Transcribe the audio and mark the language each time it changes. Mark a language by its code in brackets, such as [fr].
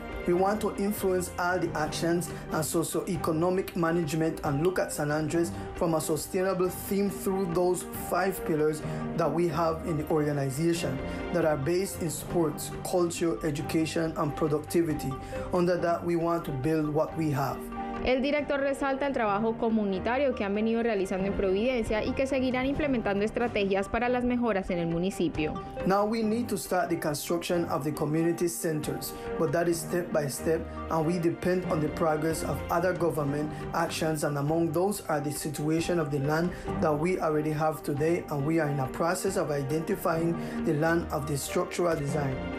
[en] We want to influence all the actions and socioeconomic management and look at San Andres from a sustainable theme through those five pillars that we have in the organization that are based in sports, culture, education, and productivity. Under that, we want to build what we have. [es] El director resalta el trabajo comunitario que han venido realizando en Providencia y que seguirán implementando estrategias para las mejoras en el municipio. [en] Now we need to start the construction of the community centers, but that is step by step, and we depend on the progress of other government actions, and among those are the situation of the land that we already have today, and we are in a process of identifying the land of the structural design.